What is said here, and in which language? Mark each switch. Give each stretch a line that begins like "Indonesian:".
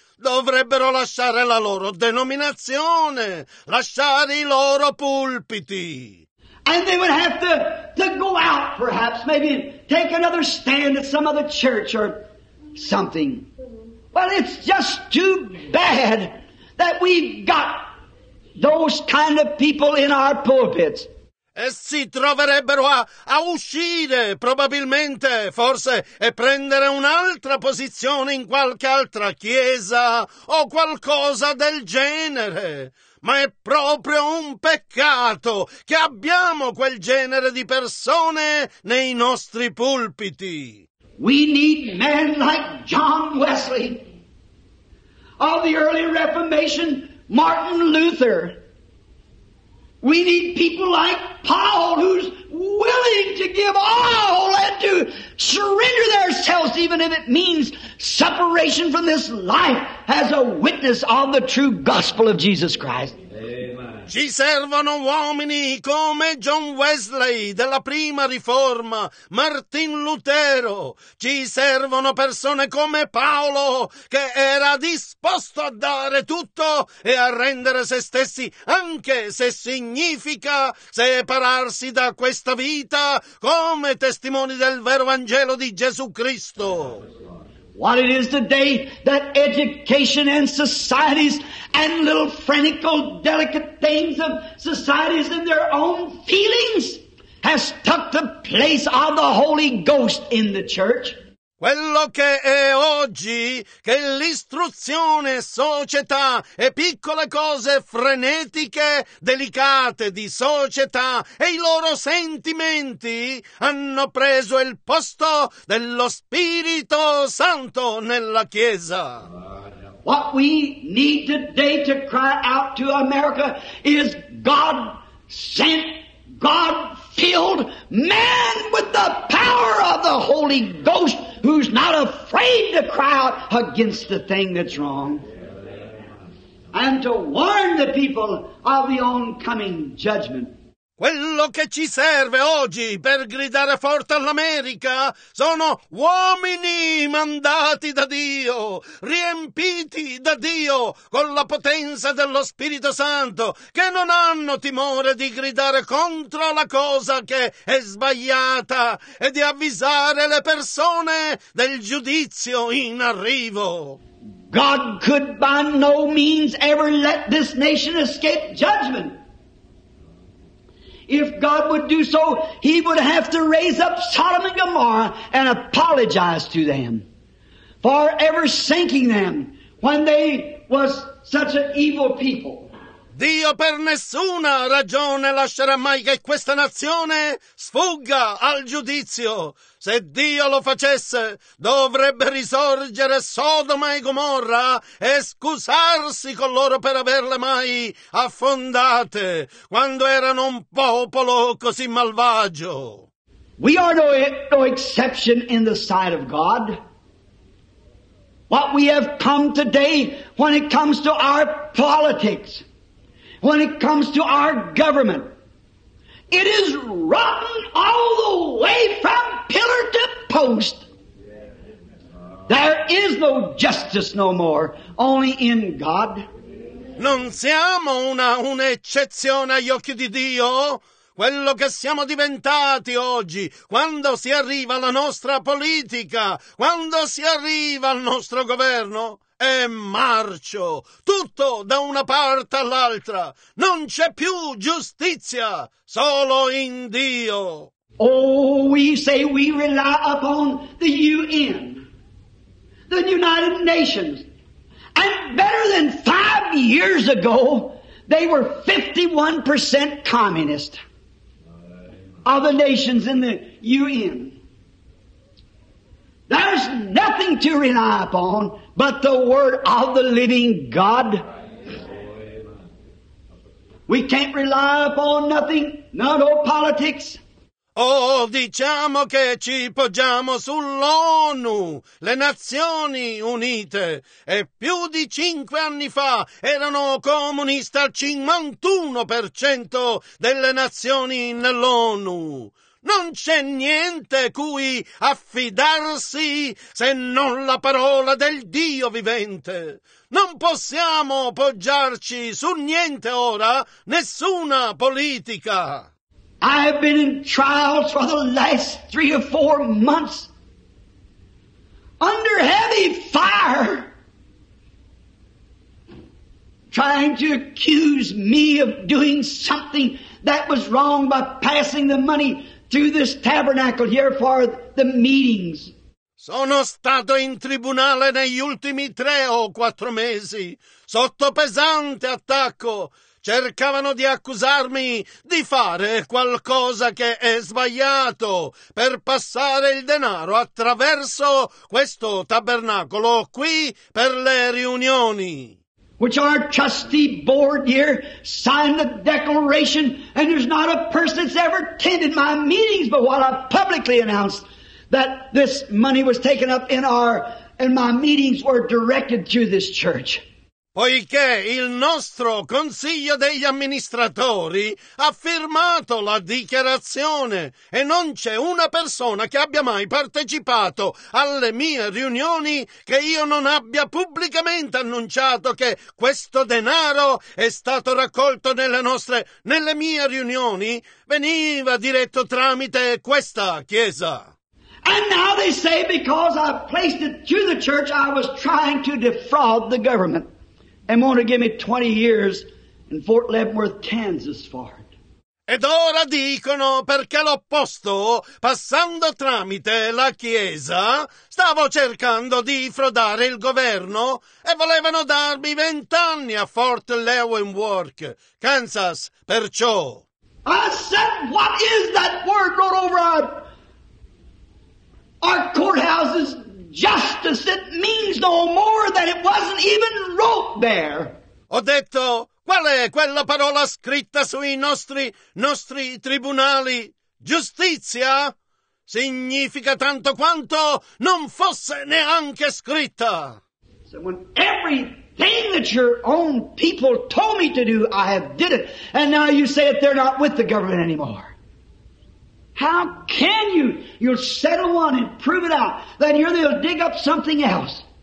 Italian: Dovrebbero lasciare la loro denominazione, lasciare i loro pulpiti.
English: And they would have to go out, perhaps, maybe take another stand at some other church or something. Well, it's just too bad that we've got those kind of people in our pulpits.
Italian: E si troverebbero a uscire, probabilmente, forse, e prendere un'altra posizione in qualche altra chiesa o qualcosa del genere. Ma è proprio un peccato che abbiamo quel genere di persone nei nostri pulpiti.
English: We need men like John Wesley, of the early Reformation, Martin Luther. We need people like Paul, who's willing to give all and to surrender themselves, even if it means separation from this life, as a witness of the true gospel of Jesus Christ.
Italian: Ci servono uomini come John Wesley della prima riforma, Martin Lutero. Ci servono persone come Paolo, che era disposto a dare tutto e a rendere se stessi, anche se significa separarsi da questa vita, come testimoni del vero Vangelo di Gesù Cristo.
English: What it is today that education and societies and little frantical, delicate things of societies and their own feelings has took the place of the Holy Ghost in the church.
Italian: Quello che è oggi, che l'istruzione, società e piccole cose frenetiche, delicate di società e i loro sentimenti hanno preso il posto dello Spirito Santo nella Chiesa.
English: What we need today to cry out to America is God sent, God filled man with the power of the Holy Ghost, who's not afraid to cry out against the thing that's wrong, and to warn the people of the oncoming judgment.
Italian: Quello che ci serve oggi per gridare forte all'America sono uomini mandati da Dio, riempiti da Dio con la potenza dello Spirito Santo, che non hanno timore di gridare contro la cosa che è sbagliata e di avvisare le persone del giudizio in arrivo.
English: God could by no means ever let this nation escape judgment. If God would do so, he would have to raise up Sodom and Gomorrah and apologize to them for ever sinking them when they was such an evil people.
Italian: Dio per nessuna ragione lascerà mai che questa nazione sfugga al giudizio. Se Dio lo facesse, dovrebbe risorgere Sodoma e Gomorra e scusarsi con loro per averle mai affondate, quando erano un popolo così malvagio.
English: We are no exception in the sight of God. What we have come today when it comes to our politics, when it comes to our government, it is rotten all the way from pillar to post. There is no justice no more, only in God.
Italian: Non siamo un'eccezione agli occhi di Dio. Quello che siamo diventati oggi, quando si arriva alla nostra politica, quando si arriva al nostro governo, è marcio, tutto da una parte all'altra. Non c'è più giustizia, solo in Dio.
English: Oh, we say we rely upon the UN, the United Nations. And better than 5 years ago, they were 51% communist of the nations in the UN. There's nothing to rely upon but the Word of the Living God. We can't rely upon nothing, not on politics.
Italian: Oh, diciamo che ci poggiamo sull'ONU, le Nazioni Unite, e più di 5 anni fa erano comunisti al 51% delle nazioni nell'ONU. Non c'è niente cui affidarsi se non la parola del Dio vivente. Non possiamo poggiarci su niente ora, nessuna politica.
English: I have been in trials for the last 3 or 4 months under heavy fire trying to accuse me of doing something that was wrong by passing the money through this tabernacle here for the meetings.
Italian: Sono stato in tribunale negli ultimi 3 o 4 mesi sotto pesante attacco. Cercavano di accusarmi di fare qualcosa che è sbagliato per passare il denaro attraverso questo tabernacolo qui per le riunioni.
English: Which our trustee board here signed the declaration, and there's not a person that's ever attended my meetings but while I publicly announced that this money was taken up in our and my meetings were directed to this church.
Italian: Poiché il nostro consiglio degli amministratori ha firmato la dichiarazione e non c'è una persona che abbia mai partecipato alle mie riunioni che io non abbia pubblicamente annunciato che questo denaro è stato raccolto nelle mie riunioni, veniva diretto tramite questa chiesa.
English: And now they say because I placed it to the church I was trying to defraud the government. And want to give me 20 years in Fort Leavenworth, Kansas for it.
Italian: Ed ora dicono perché l'ho posto passando tramite la chiesa, stavo cercando di frodare il governo e volevano darmi 20 anni a Fort Leavenworth, Kansas, perciò.
English: I said, what is that word wrote over our courthouses? Justice, it means no more than it wasn't even wrote there.
Italian: Ho detto, qual è quella parola scritta sui nostri tribunali? Giustizia? Significa tanto quanto non fosse neanche scritta.
English: So when everything that your own people told me to do, I have did it. And now you say that they're not with the government anymore. How can you? You'll settle one and prove it out. Then here they'll dig up something else.